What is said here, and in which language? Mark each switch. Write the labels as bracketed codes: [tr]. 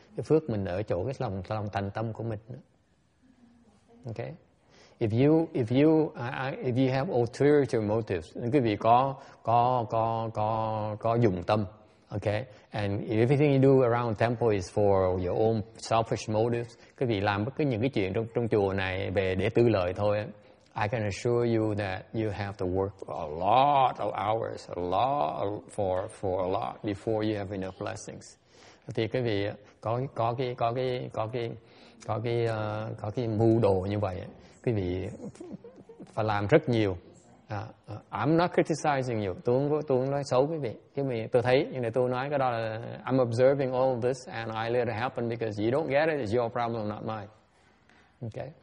[vi] Cái phước mình ở chỗ cái lòng thành tâm của mình. Okay. [en] If you have ulterior motives, [vi] quý vị có dụng tâm. Okay. [en] And everything you do around temple is for your own selfish motives. [vi] Quý vị làm bất cứ những cái chuyện trong chùa này về để tư lợi thôi. [en] I can assure you that you have to work a lot of hours, a lot for a lot before you have enough blessings. [vi] Thì quý vị có cái mưu đồ như vậy, quý vị phải làm rất nhiều. [en] I'm not criticizing you. [vi] Tôi không nói xấu quý vị. Quý vị tôi thấy nhưng mà tôi nói cái đó là [en] I'm observing all of this and I let it happen because you don't get it, it's your problem, not mine. Okay.